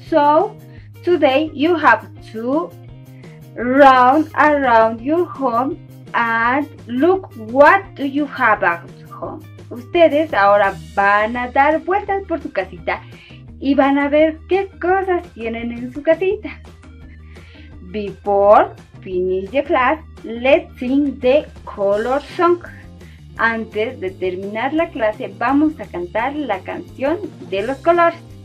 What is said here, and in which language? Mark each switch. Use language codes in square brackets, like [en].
[en] So, today you have to round around your home and look what do you have at home. [es] Ustedes ahora van a dar vueltas por su casita y van a ver qué cosas tienen en su casita. [en] Before finish the class, let's sing the color song. [es] Antes de terminar la clase, vamos a cantar la canción de los colores.